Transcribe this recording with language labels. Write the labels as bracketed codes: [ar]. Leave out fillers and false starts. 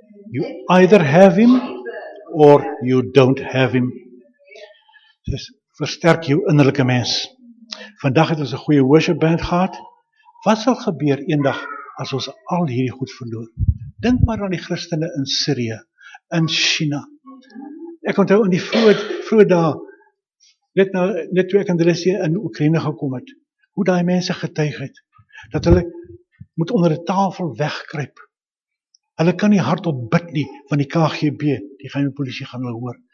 [en] You either have him or you don't have him. [af] Dus versterk jou innerlijke mens. Vandaag het ons een goeie worship band gehad. Wat sal gebeur eendag as ons al hierdie goed verloor? Dink maar aan die christene in Syrië, in China. Ek onthou in die vroeg dae, net toe ek in Russie in Oekraïne gekom het, hoe die mense getuig het, dat hulle moet onder die tafel wegkruip. Hulle kan nie hardop bid nie van die KGB, die geheime polisie gaan hulle hoor.